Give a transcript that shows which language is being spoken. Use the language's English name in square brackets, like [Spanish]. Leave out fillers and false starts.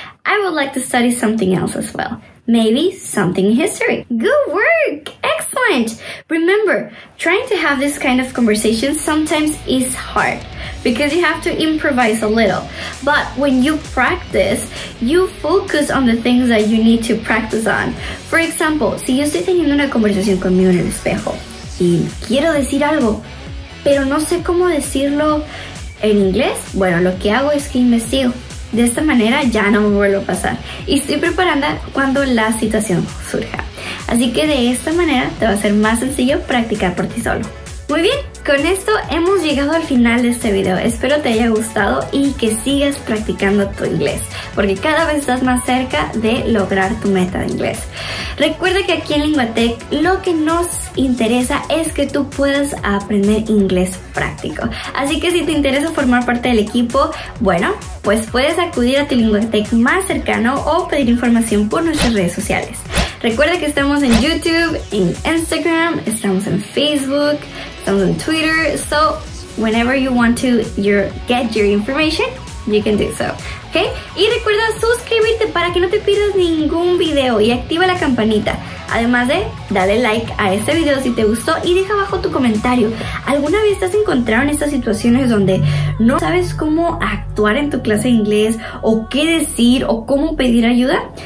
[English] I would like to study something else as well. Maybe something in history. Good work. Excellent. Remember, trying to have this kind of conversation sometimes is hard because you have to improvise a little. But when you practice, you focus on the things that you need to practice on. For example, [Spanish] si yo estoy teniendo una conversación conmigo en el espejo y quiero decir algo, pero no sé cómo decirlo en inglés, bueno, lo que hago es que investigo. De esta manera ya no me vuelvo a pasar. Y estoy preparando cuando la situación surja. Así que de esta manera te va a ser más sencillo practicar por ti solo. Muy bien, con esto hemos llegado al final de este video. Espero te haya gustado y que sigas practicando tu inglés, porque cada vez estás más cerca de lograr tu meta de inglés. Recuerda que aquí en LinguaTech lo que nos interesa es que tú puedas aprender inglés práctico. Así que si te interesa formar parte del equipo, bueno, pues puedes acudir a tu LinguaTech más cercano o pedir información por nuestras redes sociales. Recuerda que estamos en YouTube, en Instagram, estamos en Facebook, estamos en Twitter. [English] So, whenever you want to get your information, you can do so. Okay? [Spanish] Y recuerda suscribirte para que no te pierdas ningún video y activa la campanita. Además de, dale like a este video si te gustó y deja abajo tu comentario. ¿Alguna vez te has encontrado en estas situaciones donde no sabes cómo actuar en tu clase de inglés o qué decir o cómo pedir ayuda?